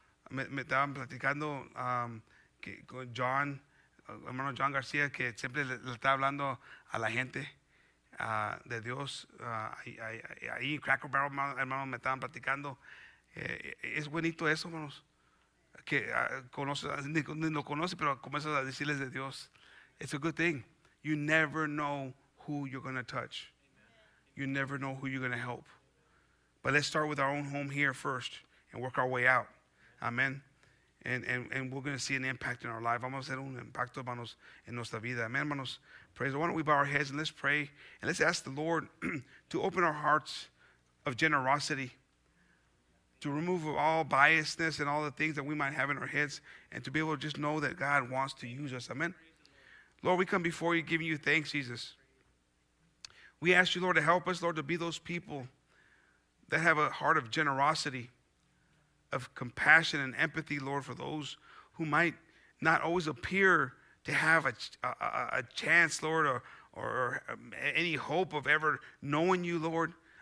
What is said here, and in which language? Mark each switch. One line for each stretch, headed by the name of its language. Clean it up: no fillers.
Spanish: Me estaban platicando que con John, hermano John García, que siempre le está hablando a la gente. De Dios, ahí en Cracker Barrel, hermano, me estaban platicando. Es bonito eso, hermanos. Que ni lo conoce, pero comienza a decirles de Dios.
English: It's a good thing. You never know who you're going to touch. You never know who you're going to help. But let's start with our own home here first and work our way out. Amen. And we're going to see an impact in our life.
Spanish: Vamos a hacer un impacto, hermanos, en nuestra vida. Amen, hermanos.
English: Praise the Lord. Why don't we bow our heads and let's pray. And let's ask the Lord to open our hearts of generosity, to remove all biasness and all the things that we might have in our heads, and to be able to just know that God wants to use us. Amen. Lord, we come before you giving you thanks, Jesus. We ask you, Lord, to help us, Lord, to be those people that have a heart of generosity, of compassion and empathy, Lord, for those who might not always appear to have a chance, Lord, or any hope of ever knowing you, Lord.